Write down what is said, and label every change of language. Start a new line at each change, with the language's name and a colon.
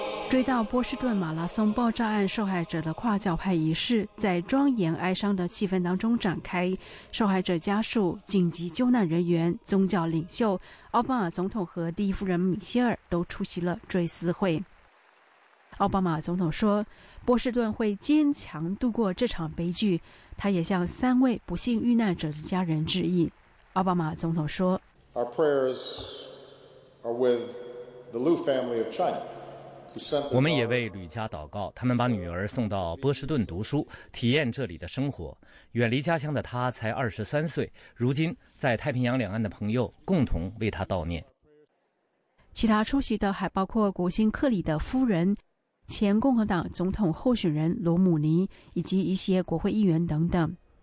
Chinese: 追悼波士顿马拉松爆炸案受害者的跨教派仪式在庄严哀伤的气氛当中展开，受害者家属、紧急救难人员、宗教领袖、奥巴马总统和第一夫人米歇尔都出席了追思会。奥巴马总统说，波士顿会坚强度过这场悲剧，他也向三位不幸遇难者的家人致意。奥巴马总统说，
English: Our prayers are with the Liu family of China.
Chinese: 我们也为吕家祷告，他们把女儿送到波士顿读书，体验这里的生活。远离家乡的她才23岁，如今在太平洋两岸的朋友共同为她悼念。其他出席的还包括国姓克里的夫人、前共和党总统候选人罗姆尼以及一些国会议员等等。